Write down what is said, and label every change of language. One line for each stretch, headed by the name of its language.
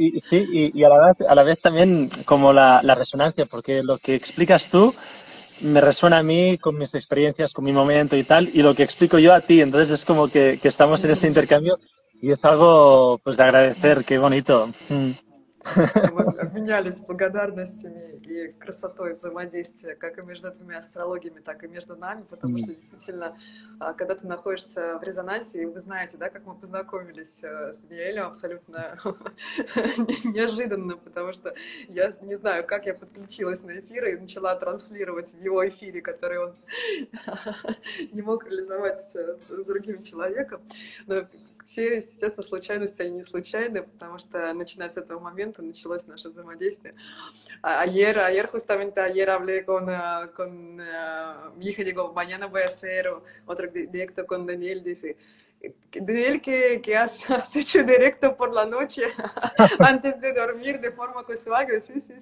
Spanish: Sí, y a la vez también como la resonancia, porque lo que explicas tú me resuena a mí con mis experiencias, con mi momento y tal, y lo que explico yo a ti, entonces es como que estamos en ese intercambio y es algo pues de agradecer, qué bonito.
Russian: Обменялись благодарностями и красотой взаимодействия как и между двумя астрологиями, так и между нами, потому что действительно, когда ты находишься в резонансе, и вы знаете, да, как мы познакомились с Даниэлем абсолютно неожиданно, потому что я не знаю, как я подключилась на эфир и начала транслировать в его эфире, который он не мог реализовать с другим человеком. Но все, естественно, случайности, они не случайны, потому что, начиная с этого момента, началось наше взаимодействие.
Spanish: Ayer justamente, ayer hablé con mi hija, digo, mañana voy a hacer otro directo con Daniel, dice, Daniel, ¿qué has hecho directo por la noche antes de dormir de forma casual? Sí.